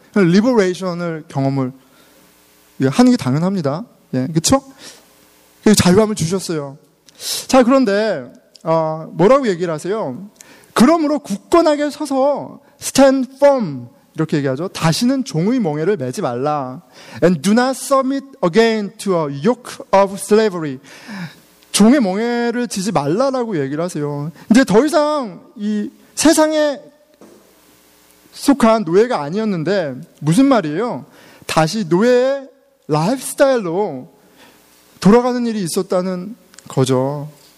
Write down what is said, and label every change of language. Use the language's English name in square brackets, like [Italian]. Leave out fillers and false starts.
[Korean] 리버레이션을 경험을 하는 게 당연합니다. 예, 그렇죠? 자유함을 주셨어요. 자, 그런데 뭐라고 얘기를 하세요? 그러므로 굳건하게 서서 [English] stand firm [Korean] 이렇게 얘기하죠. 다시는 종의 멍에를 매지 말라. [English] And do not submit again to a yoke of slavery. [Korean] 종의 멍에를 지지 말라라고 얘기를 하세요. 이제 더 이상 이 세상에 속한 노예가 아니었는데 무슨 말이에요? 다시 노예의 라이프스타일로 돌아가는 일이 있었다는 거죠.